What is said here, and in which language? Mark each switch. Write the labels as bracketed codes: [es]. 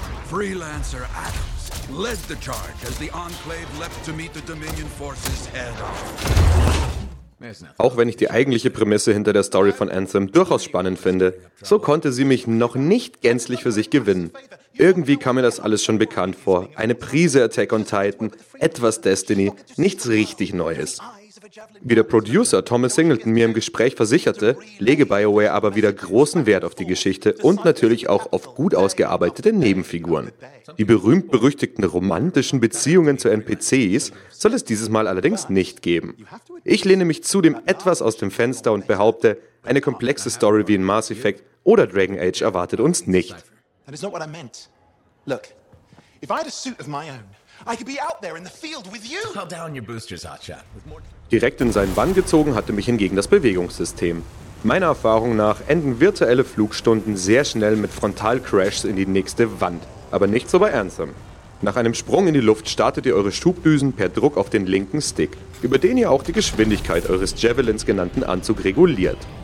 [en] Freelancer Adams led the charge as the Enclave leapt to meet the Dominion forces head on. [de] Auch wenn ich die eigentliche Prämisse hinter der Story von Anthem durchaus spannend finde, so konnte sie mich noch nicht gänzlich für sich gewinnen. Irgendwie kam mir das alles schon bekannt vor. Eine Prise Attack on Titan, etwas Destiny, nichts richtig Neues. Wie der Producer Thomas Singleton mir im Gespräch versicherte, lege BioWare aber wieder großen Wert auf die Geschichte und natürlich auch auf gut ausgearbeitete Nebenfiguren. Die berühmt-berüchtigten romantischen Beziehungen zu NPCs soll es dieses Mal allerdings nicht geben. Ich lehne mich zudem etwas aus dem Fenster und behaupte, eine komplexe Story wie in Mass Effect oder Dragon Age erwartet uns nicht. Das ist nicht, was ich meinte. [en] Look, if I had a suit of my own, I could be out there in the field with you. Calm down your boosters, Archer. [de] Direkt in seinen Bann gezogen hatte mich hingegen das Bewegungssystem. Meiner Erfahrung nach enden virtuelle Flugstunden sehr schnell mit Frontalcrashs in die nächste Wand. Aber nicht so bei Anthem. Nach einem Sprung in die Luft startet ihr eure Schubdüsen per Druck auf den linken Stick, über den ihr auch die Geschwindigkeit eures Javelins genannten Anzug reguliert.